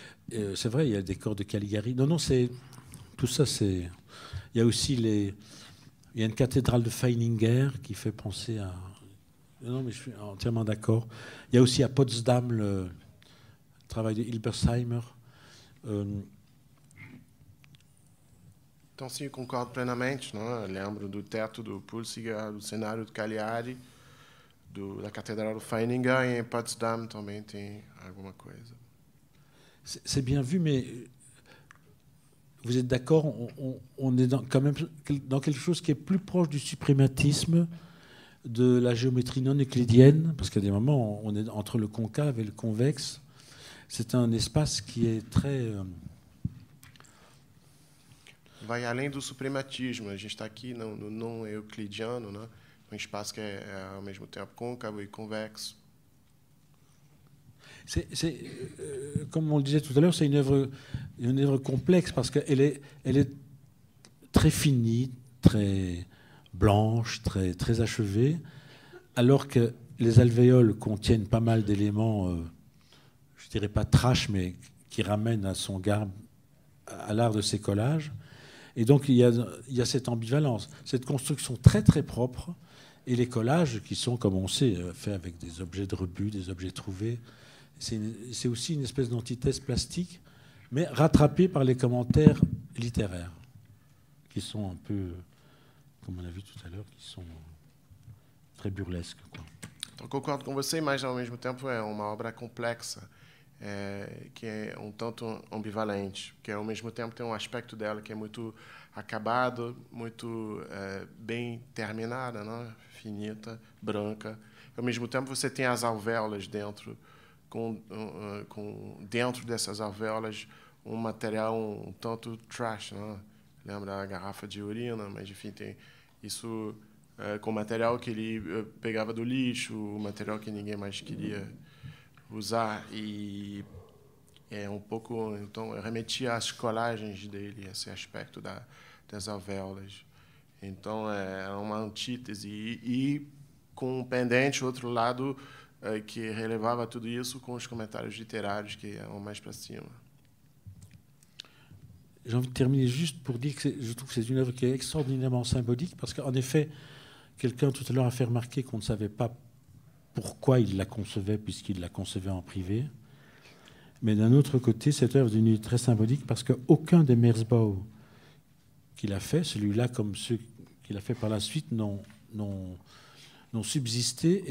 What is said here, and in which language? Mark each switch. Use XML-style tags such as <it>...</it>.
<fr>C'est vrai, il y a le décor de Caligari. Non, c'est. Tout ça, c'est. Il y a aussi les. Il y a une cathédrale de Feininger qui fait penser à. Non, mais je suis entièrement d'accord. Il y a aussi à Potsdam le travail de Hilbersheimer.</fr> <pt>Então, sim, eu concordo plenamente. Não? Eu lembro do teto do Pulsiger, do cenário do Cagliari, da Catedral do Feininger, e em Potsdam também tem alguma coisa.</pt> <fr>C'est bien vu, mais vous êtes d'accord, on est dans, quand même dans quelque chose qui est plus proche du suprématisme de la géométrie non euclidienne, parce qu'à des moments, on est entre le concave et le convexe. C'est un espace qui est très.</fr> <pt>Vai além do suprematismo. A gente está aqui no non euclidiano, né? Um espaço que é ao mesmo tempo côncavo e convexo.</pt> <fr>C'est comme on le disait tout à l'heure, c'est une œuvre complexe parce qu'elle est très finie, très blanche, très très achevée, alors que les alvéoles contiennent pas mal d'éléments, je dirais pas trash, mais qui ramènent à son garde à l'art de ses collages. Et donc, il y a cette ambivalence, cette construction très, très propre et les collages qui sont, comme on sait, faits avec des objets de rebut, des objets trouvés. C'est aussi une espèce d'antithèse plastique, mais rattrapée par les commentaires littéraires qui sont un peu, comme on a vu tout à l'heure, qui sont très burlesques. Quoi. Je concorde avec vous, mais en même temps, c'est une œuvre complexe.</fr> <pt>Que é um tanto ambivalente, que ao mesmo tempo tem um aspecto dela que é muito acabado, muito bem terminada, né? Finita, branca. Ao mesmo tempo você tem as alvéolas dentro, com dentro dessas alvéolas um material um tanto trash, né? Lembra a garrafa de urina, mas enfim, tem isso com o material que ele pegava do lixo, o material que ninguém mais queria usar e é um pouco, então, remetia às colagens dele, esse aspecto das alvéolas. Então, é uma antítese e com um pendente, outro lado, que relevava tudo isso com os comentários literários que eram mais para cima.</pt> <fr>J'ai envie de terminer juste pour dire que je trouve que c'est une œuvre qui est extraordinairement symbolique parce qu'en effet, quelqu'un tout à l'heure a fait remarquer qu'on ne savait pas pourquoi il la concevait, puisqu'il la concevait en privé. Mais d'un autre côté, cette œuvre est très symbolique parce qu'aucun des Merzbau qu'il a fait, celui-là comme ceux qu'il a fait par la suite, n'ont subsisté.</fr>